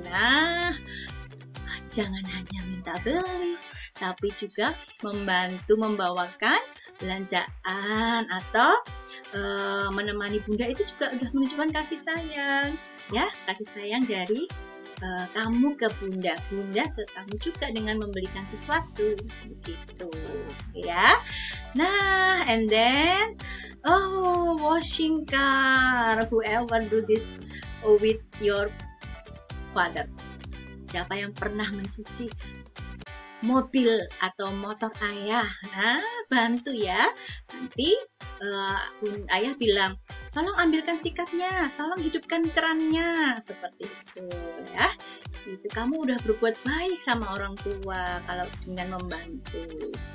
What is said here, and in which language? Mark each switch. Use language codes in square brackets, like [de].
[id] Nah, jangan hanya minta beli, tapi juga membantu membawakan belanjaan atau menemani bunda, itu juga udah menunjukkan kasih sayang, ya, kasih sayang dari kamu ke bunda, bunda ke kamu juga dengan membelikan sesuatu, begitu, ya. [en] Nah, and then, oh, washing car, whoever do this with your father. [id] Siapa yang pernah mencuci mobil atau motor ayah? Nah, bantu ya. Nanti ayah bilang, tolong ambilkan sikatnya, tolong hidupkan kerannya, seperti itu ya. Itu kamu udah berbuat baik sama orang tua kalau dengan membantu.